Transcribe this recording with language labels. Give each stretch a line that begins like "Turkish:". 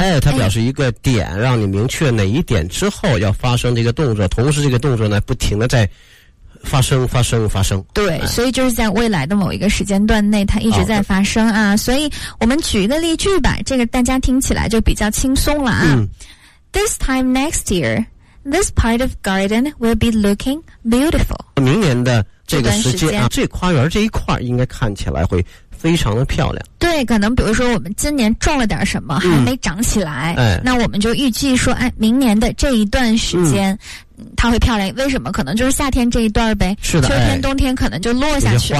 Chinese: 哎，它表示一个点，让你明确哪一点之后要发生这个动作，同时这个动作呢不停的在发生发生发生，对，所以就是在未来的某一个时间段内它一直在发生啊。所以我们举一个例句吧，这个大家听起来就比较轻松了啊。
English: This time next year this part of garden will be looking beautiful，
Chinese: 明年的这个时间啊，这花园这一块应该看起来会非常的漂亮。对，可能比如说我们今年种了点什么还没长起来，那我们就预计说哎，明年的这一段时间它会漂亮。为什么？可能就是夏天这一段呗，是的，秋天冬天可能就落下去了，